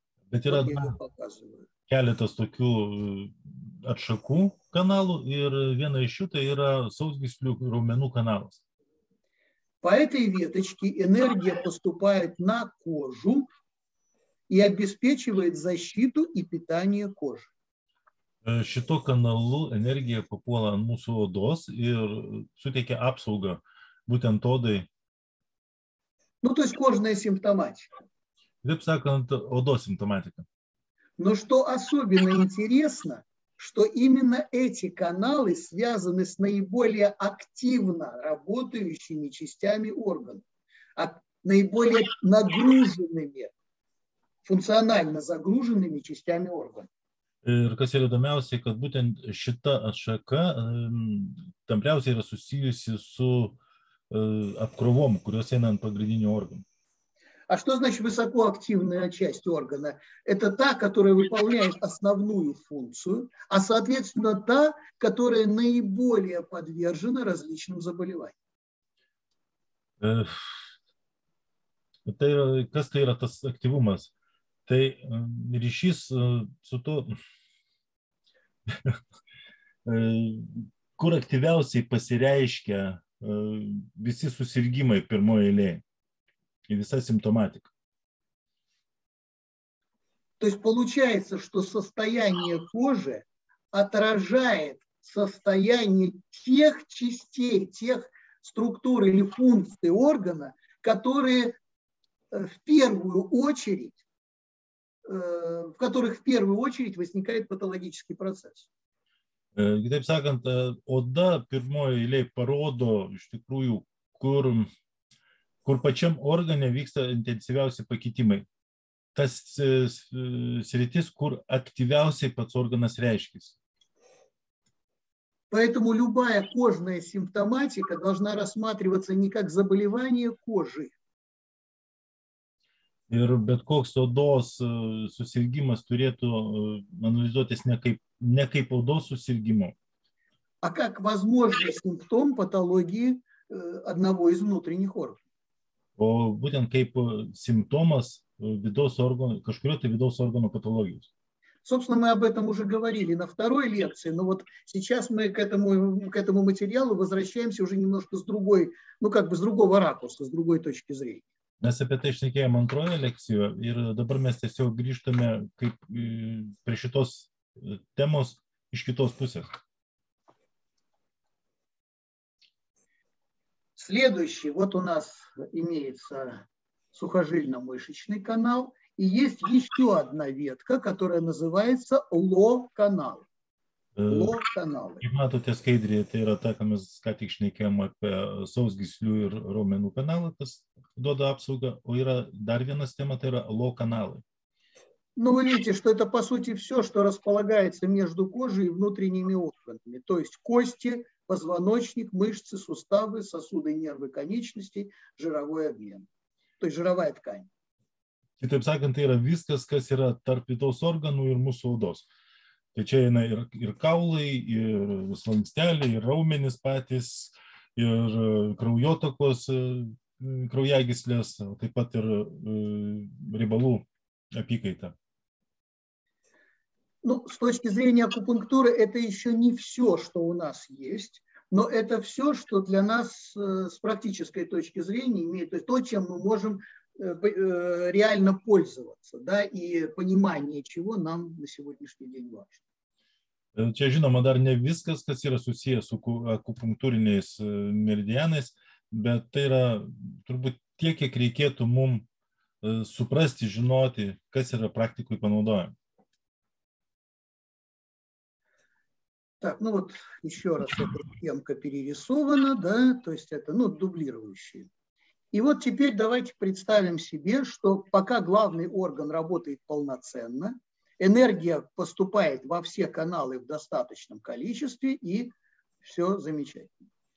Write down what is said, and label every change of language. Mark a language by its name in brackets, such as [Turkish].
[Russian] Это вот одна, несколько таких отшаку каналу, и одна из них – это сауцгислю румяну канал. По этой веточке энергия поступает на кожу и обеспечивает защиту и питание кожи. [Lithuanian] Šito kanalu energija papuola ant mūsų odos ir suteikia apsaugą būtent odai. [Russian] Ну, то есть кожная симптоматика. [Lithuanian] Kitaip sakant, odos simptomatika. [Russian] Но что особенно интересно, что именно эти каналы связаны с наиболее активно работающими частями органов, а наиболее нагруженными, функционально загруженными частями органов. [Lithuanian] Ir kas yra įdomiausia, kad būtent šita atšaka tampriausiai yra susijusi su apkrovom, kurios eina ant pagrindinių organų. [Russian] А что значит высокоактивная часть органа? Это та, которая выполняет основную функцию, а соответственно та, которая наиболее подвержена различным заболеваниям. [Lithuanian] Это, kas tai yra tas aktyvumas? Tai ryšys su to, kur aktyviausiai pasireiškia visi susirgymai pirmoje eilėje [Russian] и вся симптоматика. То есть получается, что состояние кожи отражает состояние тех частей, тех структур или функций органа, которые в первую очередь в которых в первую очередь возникает патологический процесс. [Lithuanian] Kitaip sakant, oda pirmoje eilėje parodo, iš tikrųjų, kur pačiam organe vyksta intensyviausi pakitimai. Tas sritis, kur aktyviausiai pats organas reiškis. [Russian] Поэтому любая кожная симптоматика должна рассматриваться не как заболевание кожи. [Lithuanian] Ir bet koks odos susirgymas turėtų analizuotis ne kaip odos susirgymo. [Russian] А как возможный симптом патологии одного из внутренних органов. [Lithuanian] O būtent kaip simptomas vidaus organų, kažkurio tai vidaus organų patologijos. [Russian] Собственно, мы об этом уже говорили на второй лекции, но вот сейчас мы к этому материалу возвращаемся уже немножко с другой, ну как бы с другого ракурса, с другой точки зрения. [Lithuanian] Mes apie tai išnekėjom antroje lekcijoje ir dabar mes tiesiog grįžtame kaip prie šitos temos iš kitos pusės. [Russian] Следующий, вот у нас имеется сухожильно-мышечный канал и есть еще одна ветка, которая называется ло-канал. [Lithuanian] Kaip matote skaidrį, tai yra ta, ką mes ką tik šneikėjom apie sausgyslių ir raumenų kanalą, tas duoda apsaugą, o yra dar vienas tema, tai yra lo kanalai. [Russian] Ну, вы видите, что это, по сути, все, что располагается между кожей и внутренними органами, то есть кости, позвоночник, мышцы, суставы, сосуды, нервы, конечности, жировой обмен, то есть жировая ткань. [Lithuanian] Kitaip sakant, tai yra viskas, kas yra tarp vidaus organų ir mūsų odos. Tai čia yra ir kaulai, ir slanksteliai, ir raumenys patys, ir kraujotokos kraujagyslės, taip pat ir riebalų apykaita. [Russian] Ну, с точки зрения акупунктуры, это еще не все, что у нас есть, но это все, что для нас с практической точки зрения имеет, то есть то, чем мы можем реально пользоваться, да, и понимание чего нам на сегодняшний день важно. [Lithuanian] Čia žinoma, dar ne viskas, kas yra susiję su akupunktūriniais meridianais, bet tai yra turbūt tiek, kiek reikėtų mum suprasti, žinoti, kas yra praktikui panaudojama. [Russian] Так, ну вот еще раз эта темка перерисована, да, то есть это, ну, дублирующие. И вот теперь давайте представим себе, что пока главный орган работает полноценно, энергия поступает во все каналы в достаточном количестве и все замечательно.